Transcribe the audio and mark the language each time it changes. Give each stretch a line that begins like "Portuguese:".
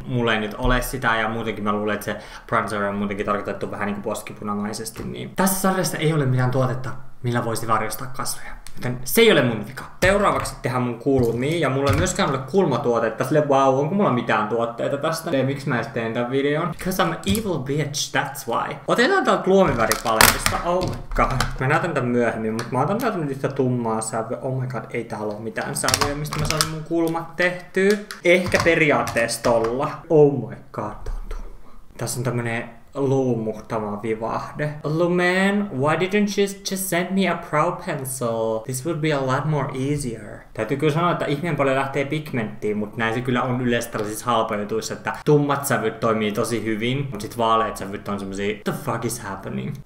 Finnish: Mulla ei nyt ole sitä ja muutenkin mä luulen, että se bronzer on muutenkin tarkoitettu vähän niinku poskipunamaisesti. Niin. Tässä sarjassa ei ole mitään tuotetta, millä voisi varjostaa kasvoja. Joten se ei ole mun vika. Seuraavaksi tehdään mun kulmii ja mulla ei myöskään ole kulmatuotetta. Sille vau, wow, onko mulla mitään tuotteita tästä? Ja miksi mä edes teen tän videon?
English: Because I'm an evil bitch, that's why.
Finnish: Otetaan täältä luomiväripaletista. Oh my god. Mä näytän tän myöhemmin, mutta mä otan täältä nyt yhtä tummaa sävyä. Oh my god, ei täällä ole mitään sävyä, mistä mä saan mun kulmat tehtyä. Ehkä periaatteessa tolla. Oh my god, tää on tumma. Tässä on tämmönen luumuhtava vivahde.
English: Lumen, why didn't you just send me a brow pencil? This would be a lot more easier.
Finnish: Täytyy kyllä sanoa, että ihmeen paljon lähtee pigmenttiin, mutta näin se kyllä on yleensä tällaisissa halpojutuissa, että tummat sävyt toimii tosi hyvin, mutta sit vaaleet sävyt on semmosia what the fuck is happening?